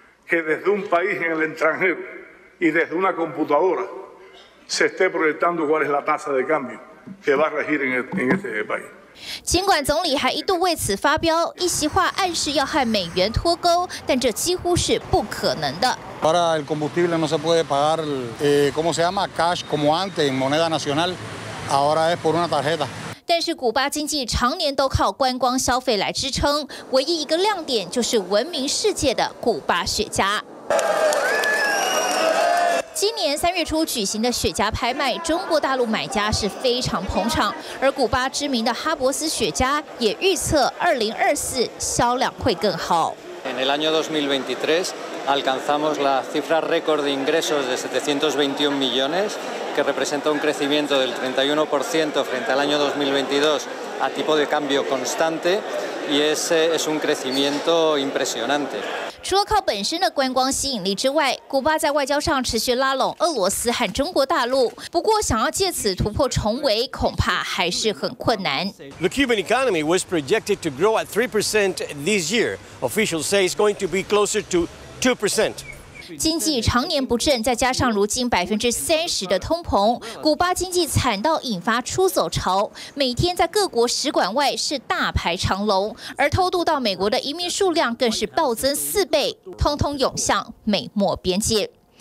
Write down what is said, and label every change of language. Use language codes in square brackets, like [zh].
[es] que desde un país en el extranjero y desde una computadora se esté proyectando cuál es la tasa de cambio que va a regir en este país。 [zh] 尽管总理还一度为此发飙，一席话暗示要和美元脱钩，但这几乎是不可能的。 [es] Para el combustible no se puede pagar, ¿cómo se llama? Cash, como antes en moneda nacional, ahora es por una tarjeta。 [zh] 但是古巴经济常年都靠观光消费来支撑，唯一一个亮点就是闻名世界的古巴雪茄。今年三月初举行的雪茄拍卖，中国大陆买家是非常捧场，而古巴知名的哈伯斯雪茄也预测2024销量会更好。 [es] En el año 2023 alcanzamos la cifra récord de ingresos de 721 millones, que representa un crecimiento del 31% frente al año 2022 a tipo de cambio constante, y ese es un crecimiento impresionante. [zh] 除了靠本身的观光吸引力之外，古巴在外交上持续拉拢俄罗斯和中国大陆。不过，想要借此突破重围，恐怕还是很困难。 [en] The Cuban economy was projected to grow at 3% this year. Officials say it's going to be closer to 2%. [zh] 经济常年不振，再加上如今30%的通膨，古巴经济惨到引发出走潮，每天在各国使馆外是大排长龙，而偷渡到美国的移民数量更是暴增4倍，通通涌向美墨边界。